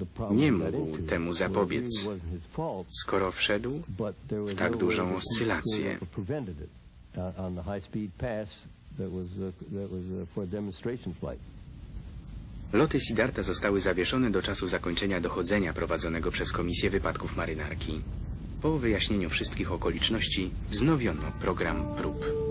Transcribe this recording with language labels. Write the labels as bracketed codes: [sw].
[pl] Nie mógł temu zapobiec, skoro wszedł w tak dużą oscylację. [en] On the high-speed pass that was for a demonstration flight. [pl] Loty Siddharta zostały zawieszone do czasu zakończenia dochodzenia prowadzonego przez Komisję Wypadków Marynarki. Po wyjaśnieniu wszystkich okoliczności wznowiono program prób.